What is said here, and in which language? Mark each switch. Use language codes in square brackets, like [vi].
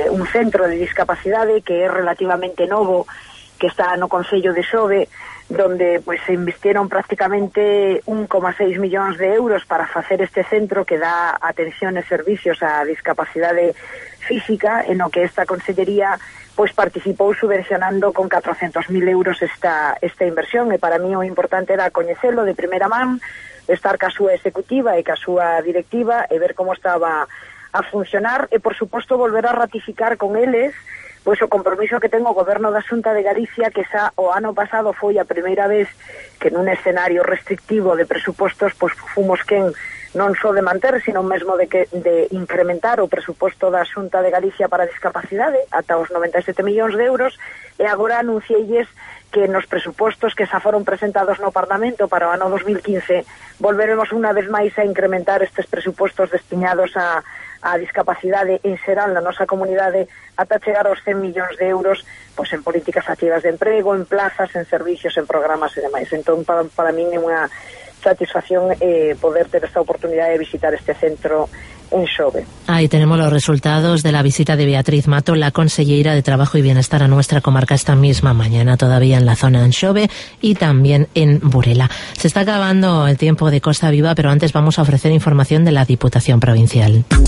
[gl] Un centro de discapacidad que es relativamente novo, que está no Concello de Xove, [es] donde pues se invirtieron [gl] prácticamente 1,6 millóns de euros para facer este centro que dá atención e servicios a discapacidade física, en o que esta consellería pues participou subvencionando con 400.000 euros esta inversión. E para mí o importante era coñecelo de primeira man, estar ca súa executiva e ca súa directiva e ver como estaba a funcionar e, por suposto, volver a ratificar con eles pues o compromiso que tengo o Goberno da Xunta de Galicia, que xa o ano pasado foi a primeira vez que nun escenario restrictivo de presupostos pues fomos quen non só de manter, sino mesmo de incrementar o presuposto da Xunta de Galicia para discapacidade ata os 97 millóns de euros, e agora anunciélles que nos presupostos que xa foron presentados no Parlamento para o ano 2015 volveremos unha vez máis a incrementar estes presupostos destinados a discapacidade en xeral na nosa comunidade ata chegar aos 100 millóns de euros pues, en políticas activas de emprego, en plazas, en servicios, en programas e demais. Entón, para mí é unha satisfacción poder ter esta oportunidade de visitar este centro en Xove. [es] Ahí tenemos los resultados de la visita de Beatriz Mato, la conselleira de Trabajo y Bienestar a nuestra comarca esta misma mañana, todavía en la zona en Xove y también en Burela. Se está acabando el tiempo de Costa Viva, pero antes vamos a ofrecer información de la Diputación Provincial.